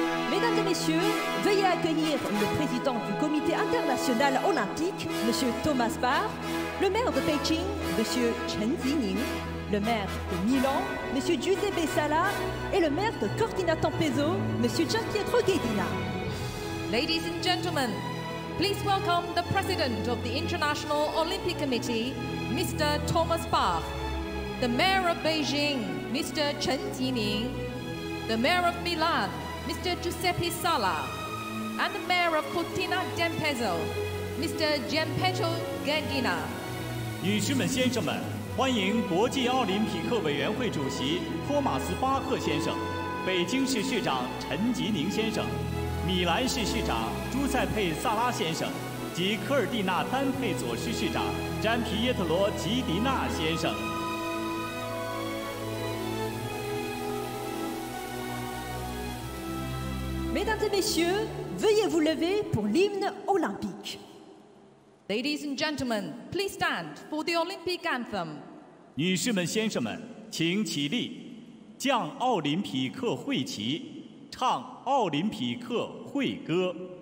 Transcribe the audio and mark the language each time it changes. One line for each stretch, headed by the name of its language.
French: Mesdames et messieurs, veuillez accueillir le président du Comité international olympique, Monsieur Thomas Barr, le maire de Pékin, Monsieur Chen Jining, le maire de Milan, Monsieur Giuseppe Sala, et le maire de Cortina d'Ampezzo, Monsieur Gianpietro Ghedina.
English: Ladies and gentlemen, please welcome the president of the International Olympic Committee. Mr. Thomas Bach, the Mayor of Beijing, Mr. Chen Jining, the Mayor of Milan, Mr. Giuseppe Sala, and the Mayor of Cortina d'Ampezzo, Mr. Gianpietro Ghedina.
Chinese: 女士们、先生们，欢迎国际奥林匹克委员会主席托马斯·巴赫先生，北京市市长陈吉宁先生，米兰市市长朱塞佩·萨拉先生，及科尔蒂纳·丹佩佐市市长詹皮耶特罗·吉迪纳先生。
French: Mesdames et messieurs, veuillez vous lever pour l'hymne olympique.
English: Ladies and gentlemen, please stand for the Olympic anthem.
Chinese: 女士们、先生们，请起立，降奥林匹克会旗，唱奥林匹克会歌。